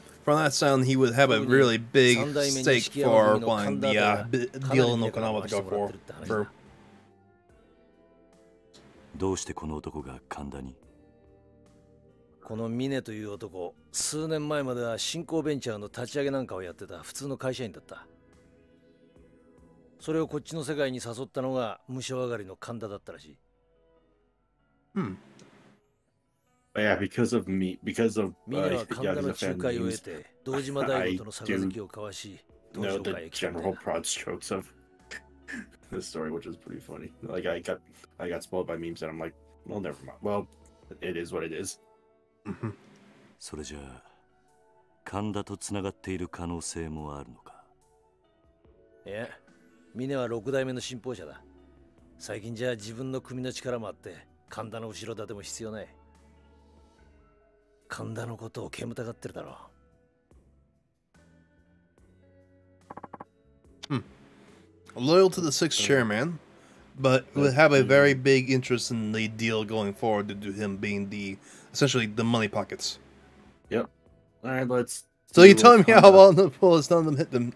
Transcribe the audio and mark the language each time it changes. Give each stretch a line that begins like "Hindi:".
English: From that sound, he would have a really big stake for buying the deal in Okinawa to go for. True.
Japanese: どうしてこの男が神田に？このミネという男、数年前までは新興ベンチャーの立ち上げなんかをやってた普通の会社員だった。それをこっちの世界に誘ったのが無償上がりの神田だったらしい。
English: Yeah, because of me, because of Yakuza fans, I do know the general broad strokes of the story, which is pretty funny. Like, I got spoiled by memes, and I'm like, well, never mind. Well, it is what it is.
Japanese: So, じゃあ、神田とつながっている可能性もあるのか。いや、ミネは六代目の信奉者だ。最近じゃ自分の組の力もあって、神田の後ろ盾も必要ない。神田のことを煙たがってるだろう。
English: loyal to the sixth chairman, but would have a very big interest in the deal going forward due to him being the essentially the money pockets. Yep. All right, let's. So you tell me how well the bullets none of them hit them?